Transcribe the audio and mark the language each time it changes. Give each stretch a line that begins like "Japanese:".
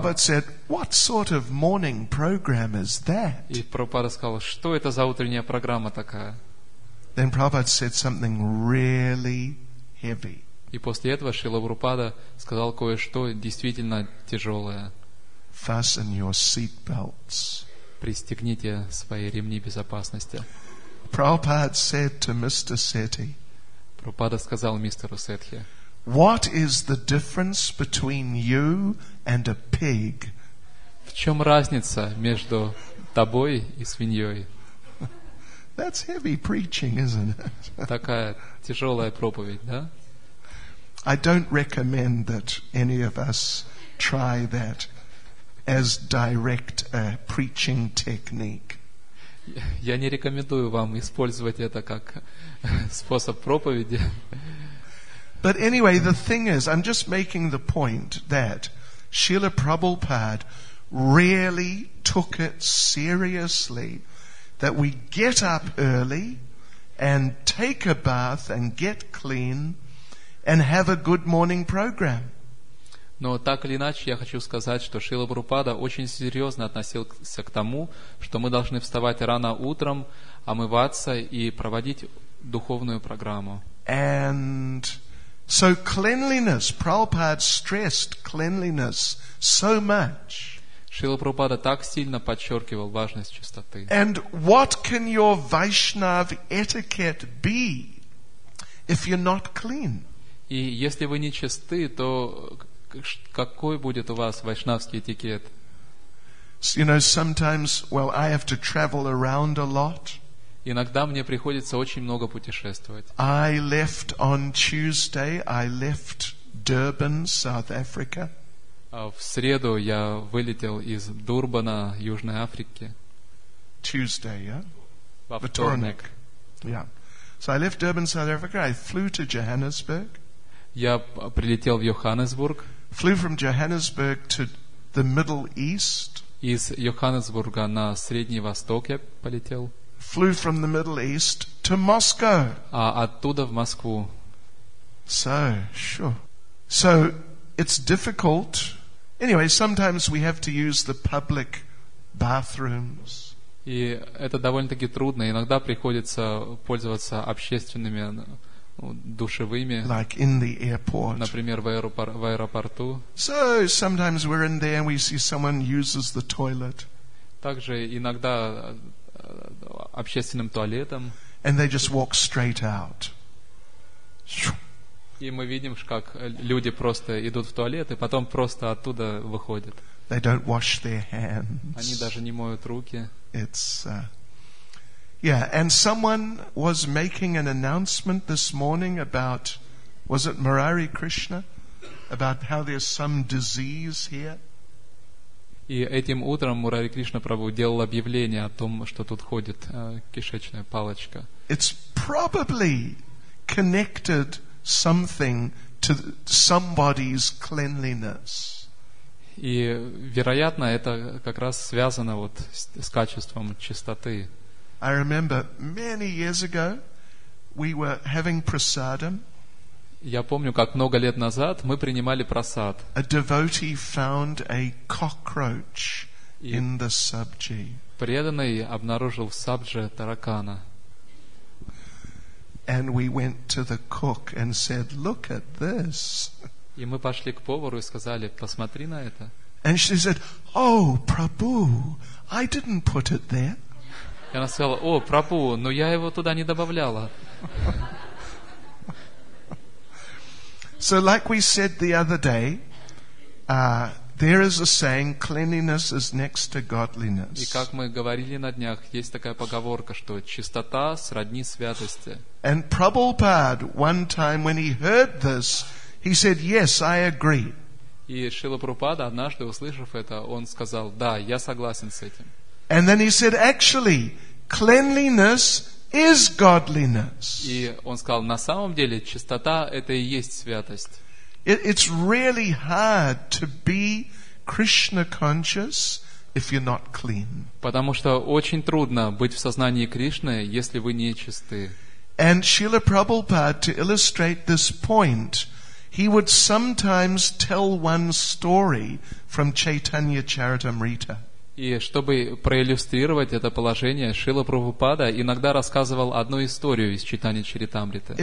English: Prabhupada said, "What sort of morning program is that?"
Russian: И Прабхупада сказал, что это за утренняя программа такая?
English: Then Prabhupada said something really heavy.
Russian: И после этого Шрила Прабхупада сказал кое-что действительно тяжелое.
English: Fasten your seat belts.
Russian: Пристегните свои ремни безопасности.
English: Prabhupada said to Mr. Sethi.
Russian: Прабхупада сказал мистеру Сетхи.
English: What is the difference between you and a pig?
Russian: В чем разница между тобой и свиньей?
English: That's heavy preaching, isn't it?
Russian: Такая тяжелая проповедь, да?
English: I don't recommend that any of us try that as direct a preaching technique.
Russian: Я не рекомендую вам использовать это как способ проповеди.
English: But anyway, the thing is, I'm just making the point that Srila Prabhupada really took it seriously. That we get up early and take a bath and get clean and have a good morning program.
Russian: Но так или иначе, я хочу сказать, что Шрила Прабхупада очень серьезно относился к тому, что мы должны вставать рано утром, омываться и проводить духовную программу.
English: And so cleanliness, Prabhupada stressed cleanliness so much.
Russian: Шрила Прабхупада так сильно подчеркивал важность чистоты.
English: And what can your Vaishnav etiquette be if you're not clean?
Russian: И если вы не чисты, то какой будет у вас вайшнавский этикет?
English: You know, sometimes, well, I have to travel around a lot.
Russian: Иногда мне приходится очень много путешествовать.
English: I left on Tuesday, I left Durban, South Africa.
Russian: В среду я вылетел из Дурбана, Южной Африки.
English: Tuesday, yeah?
Russian: Во вторник.
English: Yeah. So I left Durban, South Africa. I flew to Johannesburg.
Russian: Я прилетел в Йоханнесбург.
English: Flew from Johannesburg to the Middle East.
Russian: Из Йоханнесбурга на Средний Восток я полетел.
English: Flew from the Middle East to Moscow.
Russian: А оттуда в Москву.
English: So, sure. So, it's difficult. Anyway, sometimes we have to use the public bathrooms.
Russian: И это довольно-таки трудно. Иногда приходится пользоваться общественными душевыми.
English: Like in the airport.
Russian: Например, в аэропорту.
English: So sometimes we're in there and we see someone uses the toilet.
Russian: Также иногда общественным туалетом.
English: And they just walk straight out.
Russian: И мы видим, как люди просто идут в туалет и потом просто оттуда выходят.
English: They don't wash their hands.
Russian: Они даже не моют руки.
English: It's, Yeah, and someone was making an announcement this morning about, was it Murari Krishna? About how there's some disease here.
Russian: И этим утром Мурари Кришна Прабху делал объявление о том, что тут ходит кишечная палочка.
English: It's probably connected something to somebody's cleanliness.
Russian: И вероятно, это как раз связано вот с качеством чистоты.
English: I remember many years ago we were having prasadam.
Russian: Я помню, как много лет назад мы принимали прасад.
English: A devotee found a cockroach in the sabji.
Russian: Преданный обнаружил в сабже таракана.
English: And we went to the cook and said, "Look at this."
Russian: И мы пошли к повару и сказали: "Посмотри на это."
English: And she said, "Oh, Prabhu, I didn't put it there."
Russian: И она сказала: "О, Прабху, но я его туда не добавляла."
English: So like we said the other day, there is a saying, cleanliness is next to godliness.
Russian: И как мы говорили на днях, есть такая поговорка, что чистота сродни святости.
English: And Prabhupada, one time when he heard this, he said, "Yes, I agree."
Russian: И Шрила Прабхупада, однажды услышав это, он сказал: "Да, я согласен с этим."
English: And then he said, "Actually, cleanliness is godliness."
Russian: И он сказал: "На самом деле, чистота это и есть святость."
English: It's really hard to be Krishna conscious if you're not clean.
Russian: Потому что очень трудно быть в сознании Кришны, если вы не чисты.
English: And Srila Prabhupada, to illustrate this point, he would sometimes tell one story from Chaitanya Charitamrita.
Russian: И чтобы проиллюстрировать это положение, Шрила Прабхупада иногда рассказывал одну историю из Чайтанья Чаритамриты.